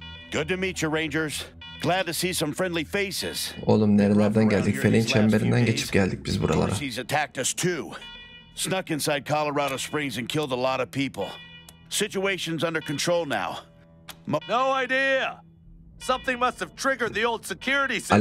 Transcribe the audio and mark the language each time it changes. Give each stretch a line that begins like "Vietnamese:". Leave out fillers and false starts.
English: Good to meet you, Rangers. Glad to see some friendly faces.
Turkish: Oğlum nerelerden geldik? Felin çemberinden geçip geldik biz buralara.
English: He's attacked us too. Snuck inside Colorado Springs and killed a lot of people. Situation's under control now. No idea. Something must have triggered the old security system.